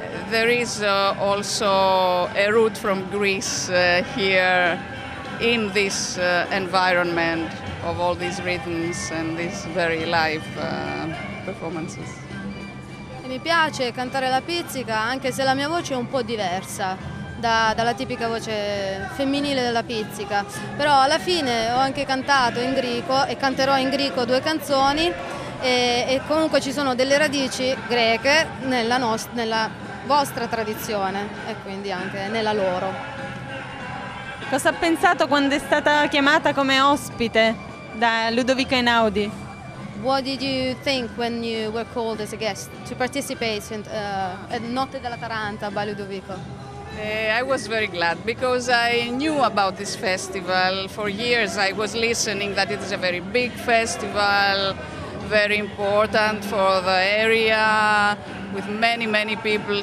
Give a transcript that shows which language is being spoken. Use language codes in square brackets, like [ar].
[en] There is also a root from Greece here in this environment of all these rhythms and these very live performances. [it] Mi piace cantare la pizzica anche se la mia voce è un po' diversa dalla tipica voce femminile della pizzica, però alla fine ho anche cantato in greco e canterò in greco due canzoni e comunque ci sono delle radici greche nella vostra tradizione e quindi anche nella loro. Cosa ha pensato quando è stata chiamata come ospite da Ludovico Einaudi? [en] What did you think when you were called as a guest to participate in Notte della Taranta by Ludovico? I was very glad because I knew about this festival. For years I was listening that it is a very big festival, very important for the area, with many, many people.